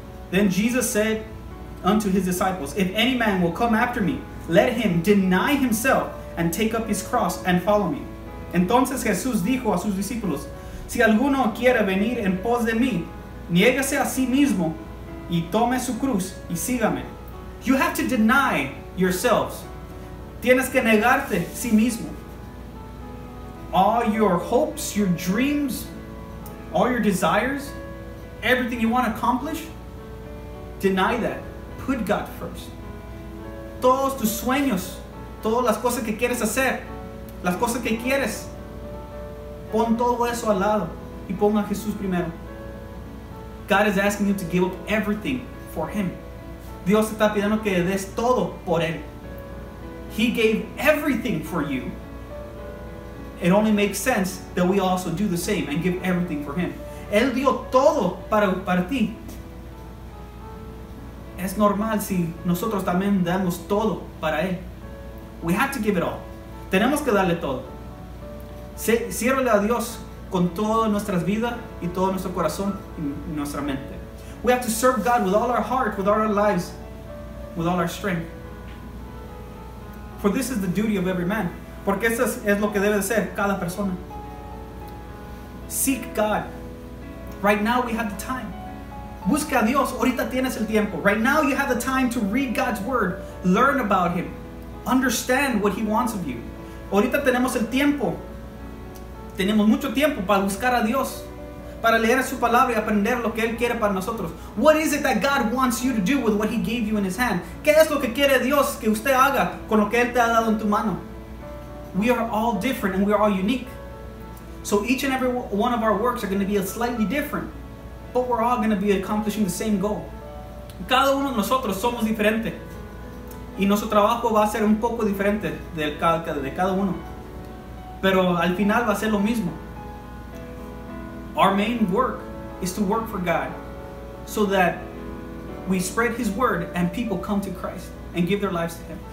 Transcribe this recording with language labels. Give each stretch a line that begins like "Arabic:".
English: Then Jesus said unto his disciples, if any man will come after me, let him deny himself and take up his cross and follow me.
Spanish: Entonces Jesús dijo a sus discípulos, si alguno quiere venir en pos de mí, niégase a sí mismo y tome su cruz y sígame.
English: You have to deny yourselves.
Spanish: Tienes que negarte a sí mismo.
English: All your hopes, your dreams, all your desires, everything you want to accomplish, deny that. Put God first.
Spanish: Todos tus sueños, todas las cosas que quieres hacer, las cosas que quieres, pon todo eso al lado y ponga a Jesús primero.
English: God is asking you to give up everything for Him.
Spanish: Dios está pidiendo que des todo por Él.
English: He gave everything for you. It only makes sense that we also do the same and give everything for Him.
Spanish: Él dio todo para ti. Es normal si nosotros también damos todo para Él.
English: We have to give it all.
Spanish: Tenemos que darle todo. Ciérrale a Dios con todas nuestras vidas y todo nuestro corazón y nuestra mente.
English: We have to serve God with all our heart, with all our lives, with all our strength. For this is the duty of every man.
Spanish: Porque eso es lo que debe de ser cada persona.
English: Seek God. Right now we have the time.
Spanish: Busca a Dios. Ahorita tienes el tiempo.
English: Right now you have the time to read God's word. Learn about Him. Understand what He wants of you.
Spanish: Ahorita tenemos el tiempo. Tenemos mucho tiempo para buscar a Dios. Para leer su palabra y aprender lo que Él quiere para nosotros.
English: What is it that God wants you to do with what He gave you in His hand?
Spanish: ¿Qué es lo que quiere Dios que usted haga con lo que Él te ha dado en tu mano?
English: We are all different and we are all unique. So each and every one of our works are going to be slightly different. But we're all going to be accomplishing the same goal.
Spanish: Cada uno de nosotros somos diferente. Y nuestro trabajo va a ser un poco diferente de cada uno. Pero al final va a ser lo mismo.
English: Our main work is to work for God so that we spread His word and people come to Christ and give their lives to Him.